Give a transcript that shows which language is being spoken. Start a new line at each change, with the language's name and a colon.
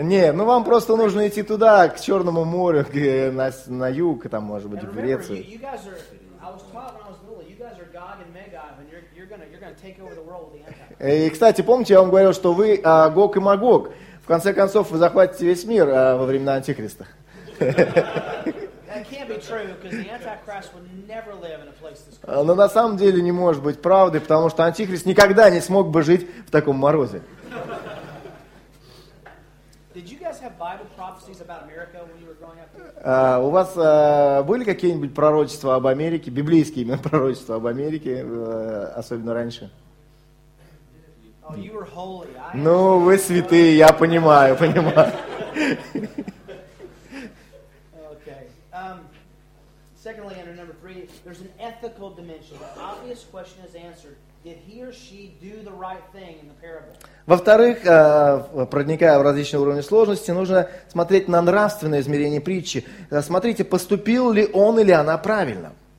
Russian: Не, ну вам просто нужно идти туда, к Черному морю, на юг, там, может быть, в Грецию.
English: And remember, I was taught when I was little, you guys are Gog and Magog, and you're gonna take over the world with the Antichrist.
Russian: И, кстати, помните, я вам говорил, что вы Гог и Магог. В конце концов, вы захватите весь мир во времена Антихриста.
English: That can't be true, because the Antichrist would never live in a place this cold.
Russian: Но на самом деле не может быть правдой, потому что Антихрист никогда не смог бы жить в таком морозе.
English: Did you guys have Bible prophecies about America when you were growing up?
Russian: У вас были какие-нибудь пророчества об Америке, библейские именно пророчества об Америке, особенно раньше?
English: Oh, you were holy.
Russian: Ну, вы святые, я понимаю.
English: Okay. Secondly, under number three, there's an ethical dimension. The obvious question is answered. Did he or she do the right thing in the parable?
Russian: Во-вторых, проникая в различные уровни сложности, нужно смотреть на нравственное измерение притчи. Смотрите, поступил ли он или она правильно.